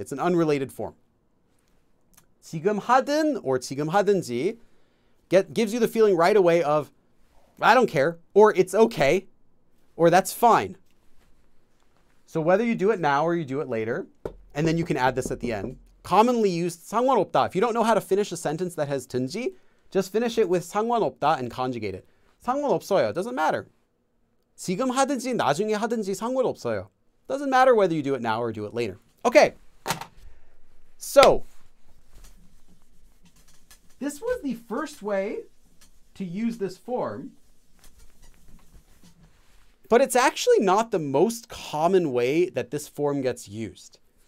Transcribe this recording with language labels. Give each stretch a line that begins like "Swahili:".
English: It's an unrelated form.
Korean: 지금 하든
English: or
Korean: 지금 하든지
English: gives you the feeling right away of, I don't care, or it's okay, or that's fine. So whether you do it now or you do it later, and then you can add this at the end. Commonly used 상관없다. If you don't know how to finish a sentence that has 든지, just finish it with 상관없다 and conjugate it.
Korean: 상관없어요.
English: It doesn't matter.
Korean: 지금 하든지 나중에 하든지 상관없어요.
English: Doesn't matter whether you do it now or do it later. Okay. So, this was the first way to use this form. But it's actually not the most common way that this form gets used.